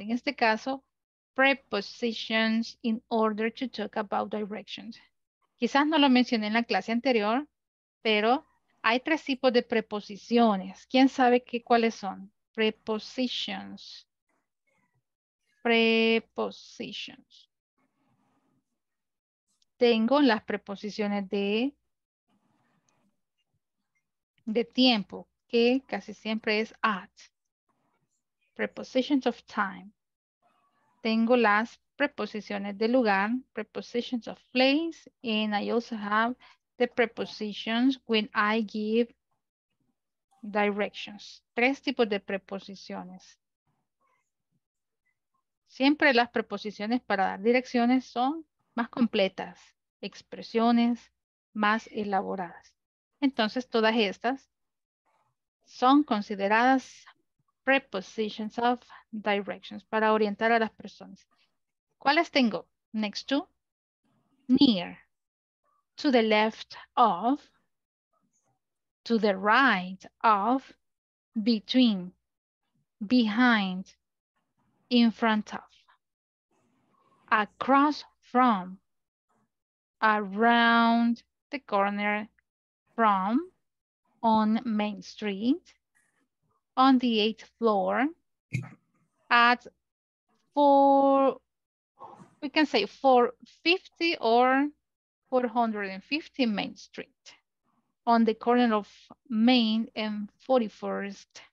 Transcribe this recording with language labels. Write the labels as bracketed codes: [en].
[es] En este caso, [en] prepositions in order to talk about directions. [es] Quizás no lo mencioné en la clase anterior, pero hay tres tipos de preposiciones. ¿Quién sabe qué, cuáles son? Prepositions. [en] Prepositions. [es] Tengo las preposiciones de tiempo, que casi siempre es at. [en] Prepositions of time. [es] Tengo las preposiciones de lugar, [en] prepositions of place, and I also have the prepositions when I give directions. [es] Tres tipos de preposiciones. Siempre las preposiciones para dar direcciones son más completas. Expresiones más elaboradas. Entonces, todas estas son consideradas [en] prepositions of directions [es] para orientar a las personas. ¿Cuáles tengo? [en] Next to, near, to the left of, to the right of, between, behind, in front of, across from, around the corner from, on Main Street, on the 8th floor, at 4, we can say 450 or 450 Main Street, on the corner of Main and 41st